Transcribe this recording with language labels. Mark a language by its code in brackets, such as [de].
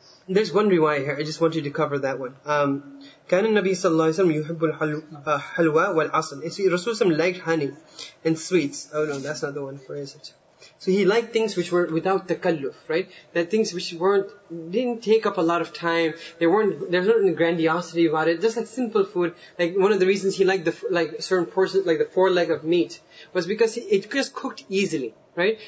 [en] There's one riwayah here. I just want you to cover that one. [ar] كان النبي صلى الله عليه وسلم يحب الحلوى والعسل. [en] It's Rasul Sam liked honey and sweets. Oh no, that's not the one for it. So he liked things which were without takalluf, right? That things which didn't take up a lot of time. There's not any grandiosity about it. Just like simple food. Like one of the reasons he liked like certain portions, like the foreleg of meat, was because it just cooked easily, right?